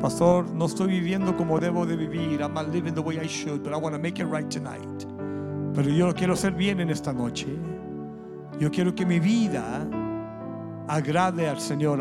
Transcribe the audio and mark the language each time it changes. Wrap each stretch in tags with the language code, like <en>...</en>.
<es>Pastor, no estoy viviendo como debo de vivir.</es> <en>I'm not living the way I should, but I want to make it right tonight.</en> <es>Pero yo quiero ser bien en esta noche. Yo quiero que mi vida agrade al Señor.</es>